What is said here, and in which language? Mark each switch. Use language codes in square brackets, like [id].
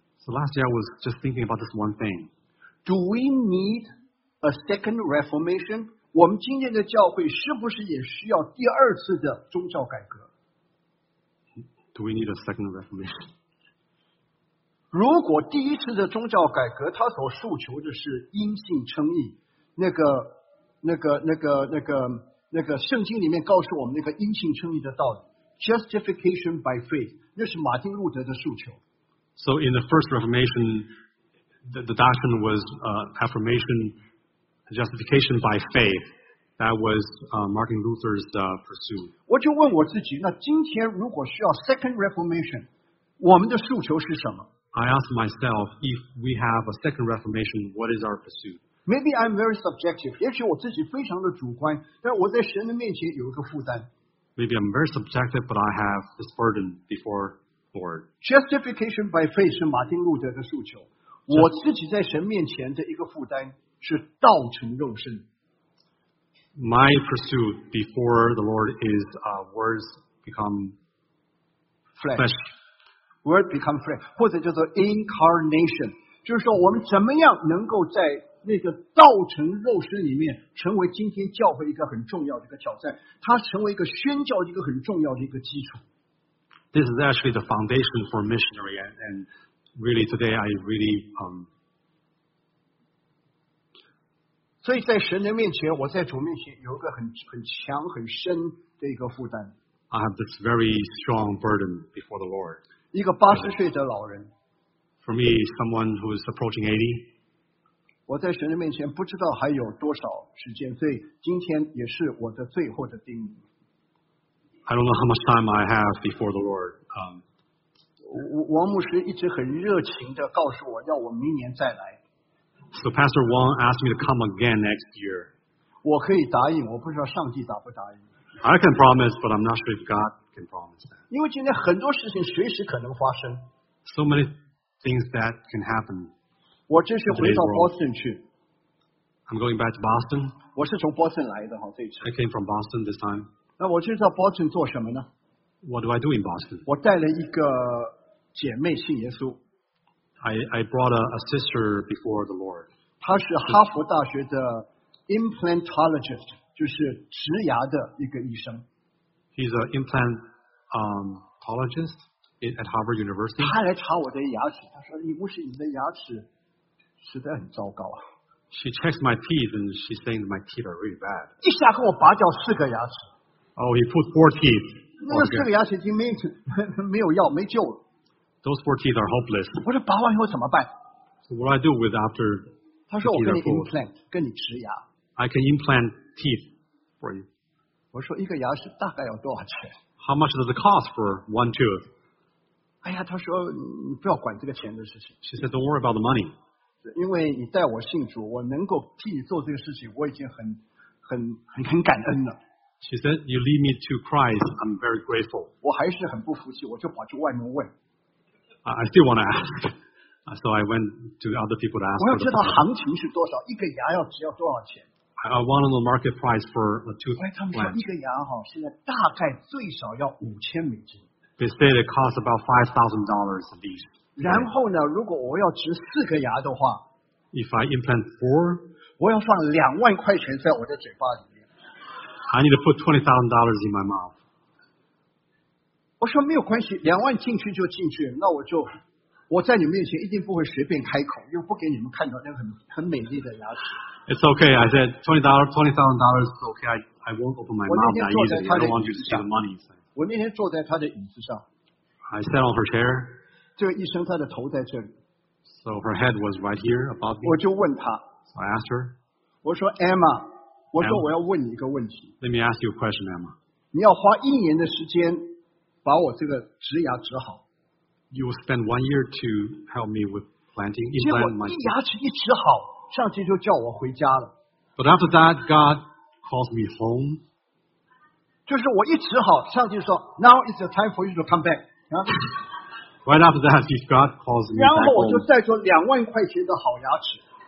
[en] So last year I was just thinking about this one thing. Do we need a second Reformation? [zh] 我们今天的教会是不是也需要第二次的宗教改革? [en] Do we need a second Reformation? [zh] 如果第一次的宗教改革他所诉求的是因信称义那个圣经里面告诉我们那个因信称义的道理 [en] Justification by faith [zh] 那是马丁路德的诉求 [en] So in the first reformation the doctrine was affirmation justification by faith that was Martin Luther's pursuit [zh] 我就问我自己那今天如果需要 [en] second reformation [zh] 我们的诉求是什么 [en] I ask myself, if we have a second reformation, what is our pursuit? Maybe I'm very subjective. [zh] 也许我自己非常的主观，但我在神的面前有一个负担。 [en] Maybe I'm very subjective, but I have this burden before Lord. Justification by faith [zh] 是马丁路德的诉求。我自己在神面前的一个负担是道成肉身。 [en] My pursuit before the Lord is words become flesh. Word become flesh, [zh] 或者叫做 incarnation, 就是说我们怎么样能够在那个道成肉身里面成为今天教会一个很重要的一个挑战，它成为一个宣教一个很重要的一个基础。 [en] This is actually the foundation for missionary, and really today I really [zh] 所以在神的面前，我在主面前有一个很强很深的一个负担。 [en] I have this very strong burden before the Lord. [zh] 一个八十岁的老人 [en] For me, someone who is approaching 80. [zh] 我在神的面前不知道还有多少时间，所以今天也是我的最后的叮咛。 [en] I don't know how much time I have before the Lord. [zh] 王牧师一直很热情地告诉我，要我明年再来。 [en] So Pastor Wong asked me to come again next year. [zh] 我可以答应，我不知道上帝答不答应。 [en] I can promise, but I'm not sure if God can promise that. [zh] 因为今天很多事情随时可能发生。 [en] So many things that can happen. [zh] 我这是回到 Boston 去。 [en] I'm going back to Boston. [zh] 我是从 Boston 来的哈，这一次。 [en] I came from Boston this time. [zh] 那我这次到 Boston 做什么呢？ [en] What do I do in Boston? [zh] 我带了一个姐妹信耶稣。 [en] I brought a sister before the Lord. [zh] 她是哈佛大学的 implantologist, 就是植牙的一个医生。 [en] He's an implantologist at Harvard University. [zh] 她来查我的牙齿，她说你不是你的牙齿实在很糟糕啊。 [en] She checks my teeth and she's saying my teeth are really bad. [zh] 一下跟我拔掉四个牙齿。 [en] Oh, he put four teeth. [zh] 那四个牙齿已经没有药，没救了。 [en] Those four teeth are hopeless. [zh] 我说拔完以后怎么办 [en] ？So what do I do with after? [zh] 他说我给你 implant， 跟你植牙。 [en] I can implant teeth for you. [zh] 我说一个牙齿大概要多少钱 [en] ？How much does it cost for one tooth? [zh] 哎呀，他说你不要管这个钱的事情。 [en] She said, "Don't worry about the money." [zh] 因为你带我信主，我能够替你做这个事情，我已经很感恩了。 [en] She said, "You lead me to Christ. I'm very grateful." [zh] 我还是很不服气，我就跑去外面问。 [en] I still want to ask, so I went to other people to ask. [zh] 我要知道行情是多少，一个牙要只要多少钱。 [en] I want to know the market price for a tooth. [zh] 他们说一个牙哈，现在大概最少要$5,000。 [en] They say it costs about $5,000 at least. [zh] 然后呢，如果我要植四个牙的话 [en] ，If I implant four, [zh] 我要放$20,000在我的嘴巴里。 [en] I need to put $20,000 in my mouth. [zh] 我说没有关系，两万进去就进去，那我就我在你面前一定不会随便开口，又不给你们看到那个很美丽的牙齿。 [en] It's okay, I said $20,000 is okay. I won't open my mouth that easily. I don't want you to see the money. [zh] 我那天坐在他的椅子上。 [en] I sat on her chair. [zh] 这个医生他的头在这里。 [en] So her head was right here above me. [zh] 我就问他。 [en] So I asked her. [zh] 我说 Emma。我说我要问你一个问题。 [en] Let me ask you a question, Emma. [zh] 你要花一年的时间把我这个植牙植好。 [en] You will spend 1 year to help me with planting. [zh] 结果一牙齿一植好，上帝就叫我回家了。 [en] But after that, God calls me home. [zh] 就是我一植好，上帝说 ， [en] Now is the time for you to come back. Right after that, God calls me. [zh] 然后我就再说$20,000的好牙齿。